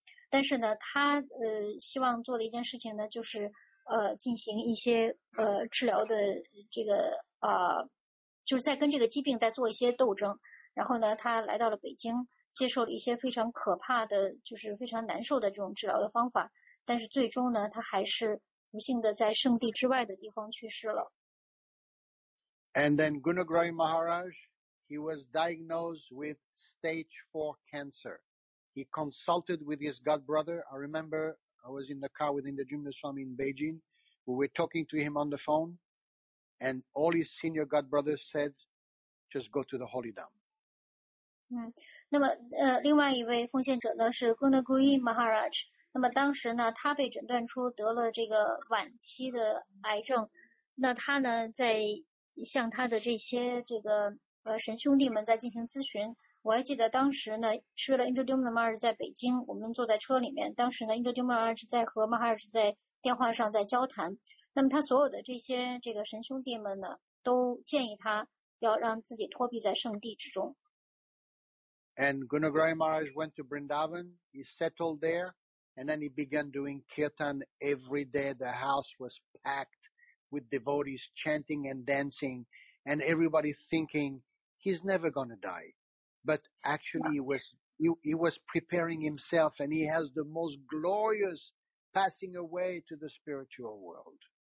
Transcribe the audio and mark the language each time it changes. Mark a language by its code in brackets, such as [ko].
[zh] 但是呢，他希望做的一件事情呢，就是进行一些治疗的这个就是在跟这个疾病在做一些斗争。然后呢，他来到了北京，接受了一些非常可怕的，就是非常难受的这种治疗的方法。但是最终呢，他还是不幸的在圣地之外的地方去世了。 [en] And then Gunagrahi Maharaj, he was diagnosed with stage 4 cancer. He consulted with his god brother. I remember I was in the car with Indrajumna Swami in Beijing. We were talking to him on the phone. And all his senior god brothers said, just go to the Holy Dham. [zh] 那么另外一位奉献者呢是 Gunagrahi Maharaj。那么当时呢他被诊断出得了这个晚期的癌症。那他呢在向他的这些这个神兄弟们在进行咨询。我还记得当时呢是为了 Indrajumna Maharaj 在北京，我们坐在车里面，当时呢 Indrajumna Maharaj 在和 Maharaj 在电话上在交谈。那么他所有的这些这个神兄弟们呢都建议他要让自己托庇在圣地之中。 [en] And Gunagrahi Maharaj went to Vrindavan, he settled there, and then he began doing kirtan every day. The house was packed with devotees chanting and dancing, and everybody thinking, he's never going to die. But actually, he was preparing himself, and he has the most glorious passing away to the spiritual world.